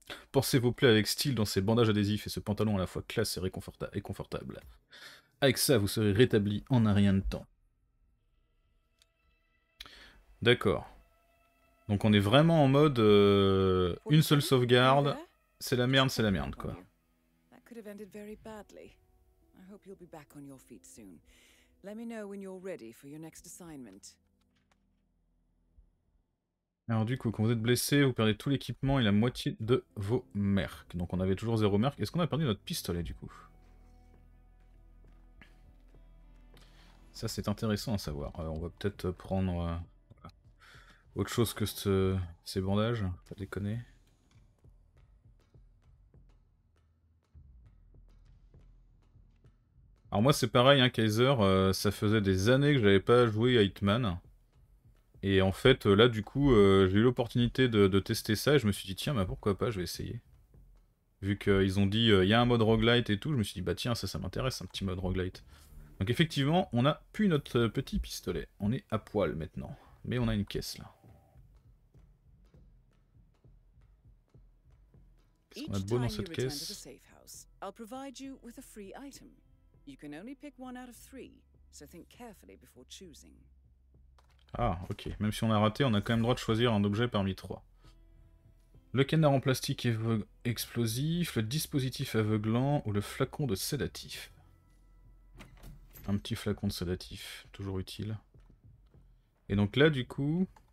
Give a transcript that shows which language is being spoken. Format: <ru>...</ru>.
<fr>Pensez vos plaies avec style dans ces bandages adhésifs et ce pantalon à la fois classe et confortable. Avec ça, vous serez rétabli en un rien de temps. D'accord. Donc on est vraiment en mode une seule sauvegarde. C'est la merde, quoi.</fr> <en>That could have ended very badly. I hope you'll be back on your feet soon. Let me know when you're ready for your next assignment.</en> <fr>Alors du coup, quand vous êtes blessé, vous perdez tout l'équipement et la moitié de vos mercs. Donc on avait toujours zéro merc. Est-ce qu'on a perdu notre pistolet du coup? Ça c'est intéressant à savoir. On va peut-être prendre. Autre chose que ces bandages, pas déconner. Alors moi c'est pareil, hein, Kaiser, ça faisait des années que j'avais pas joué à Hitman. Et en fait là du coup j'ai eu l'opportunité de tester ça et je me suis dit tiens bah pourquoi pas, je vais essayer. Vu qu'ils ont dit il y a un mode roguelite et tout, je me suis dit bah tiens ça m'intéresse un petit mode roguelite. Donc effectivement on a plus notre petit pistolet, on est à poil maintenant. Mais on a une caisse là.</fr> <en>Each time you return to the safe house, I'll provide you with a free item. You can only pick one out of three, so think carefully before choosing.</en> <fr>Ah, ok. Même si on a raté, on a quand même le droit de choisir un objet parmi trois. Le canard en plastique explosif, le dispositif aveuglant ou le flacon de sédatif. Un petit flacon de sédatif, toujours utile. Et donc là, du coup.</fr>